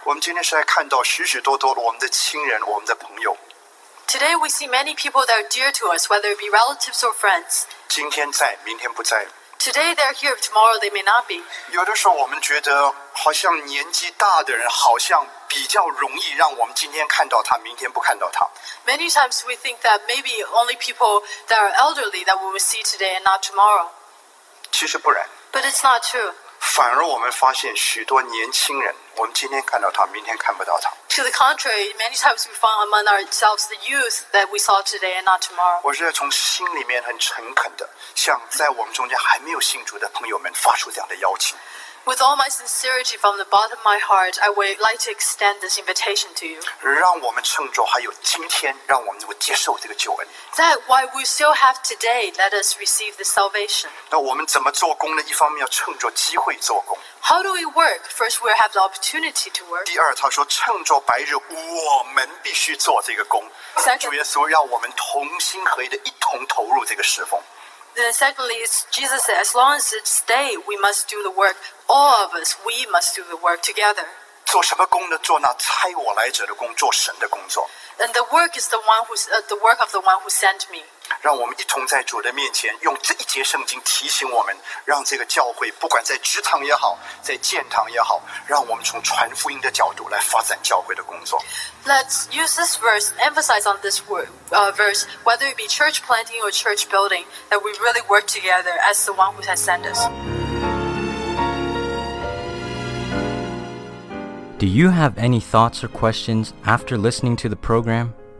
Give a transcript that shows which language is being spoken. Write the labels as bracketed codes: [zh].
[zh] 我们今天是来看到许许多多的我们的亲人，我们的朋友。 [en] Today we see many people that are dear to us, whether it be relatives or friends. [zh] 今天在，明天不在。 [en] Today they're here, tomorrow they may not be. [zh] 有的时候我们觉得好像年纪大的人好像比较容易让我们今天看到他，明天不看到他。 [en] Many times we think that maybe only people that are elderly that we will see today and not tomorrow. [zh] 其实不然。 [en] But it's not true. [zh] 反而我们发现许多年轻人，我们今天看到他，明天看不到他。 [en] To the contrary, many times we find among ourselves the youth that we saw today and not tomorrow. [zh] 我是要从心里面很诚恳的，向在我们中间还没有信主的朋友们发出这样的邀请。 [en] With all my sincerity from the bottom of my heart, I would like to extend this invitation to you. [zh] 让我们趁着还有今天，让我们能够接受这个救恩。 [en] That while we still have today, let us receive the salvation. [zh] 那我们怎么做工呢？一方面要趁着机会做工。 [en] How do we work? First, we have the opportunity to work. [zh] 第二，他说趁着白日，我们必须做这个工。 [en] Second, [zh] 主耶稣让我们同心合意的一同投入这个侍奉。 [en] Then secondly, Jesus said, as long as it's day, we must do the work. All of us, we must do the work together. [zh] 做什么工呢？做那差我来者的工，做神的工作。 [en] And the work is the work of the one who sent me. [zh] 让我们一同在主的面前，用这一节圣经提醒我们，让这个教会不管在职场也好，在建堂也好，让我们从传福音的角度来发展教会的工作。 [en] Let's use this verse, emphasize on this word, verse, whether it be church planting or church building, that we really work together as the one who has sent us. Do you have any thoughts or questions after listening to the program?